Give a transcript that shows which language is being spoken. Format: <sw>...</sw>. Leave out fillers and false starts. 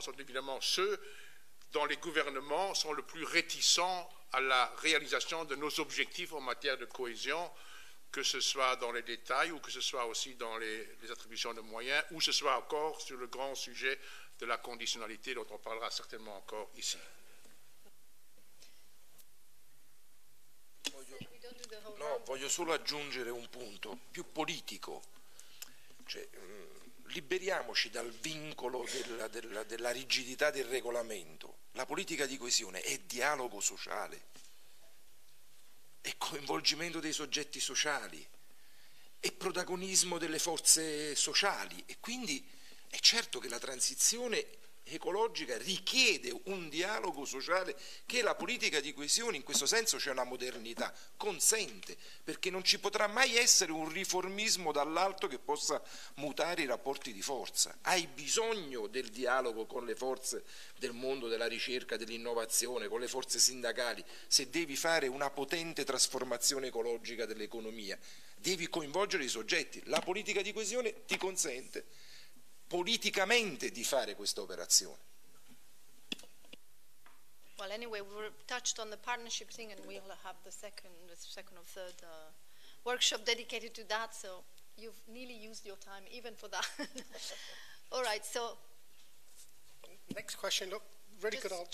<fr>Ce sont évidemment ceux dont les gouvernements sont le plus réticents à la réalisation de nos objectifs en matière de cohésion, que ce soit dans les détails ou que ce soit aussi dans les attributions de moyens, ou ce soit encore sur le grand sujet de la conditionnalité dont on parlera certainement encore ici.</fr> <it>No, voglio solo aggiungere un punto più politico. Cioè, liberiamoci dal vincolo della rigidità del regolamento. La politica di coesione è dialogo sociale, è coinvolgimento dei soggetti sociali, è protagonismo delle forze sociali, e quindi è certo che la transizione ecologica richiede un dialogo sociale che la politica di coesione, in questo senso c'è una modernità, consente, perché non ci potrà mai essere un riformismo dall'alto che possa mutare i rapporti di forza. Hai bisogno del dialogo con le forze del mondo della ricerca, dell'innovazione, con le forze sindacali, se devi fare una potente trasformazione ecologica dell'economia, devi coinvolgere i soggetti. La politica di coesione ti consente politicamente di fare questa operazione.</it> <en>Well, anyway, we touched on the partnership thing, and we'll have the second or third workshop dedicated to that. So you've nearly used your time even for that. All right. So next question. Look, really good answers.</en>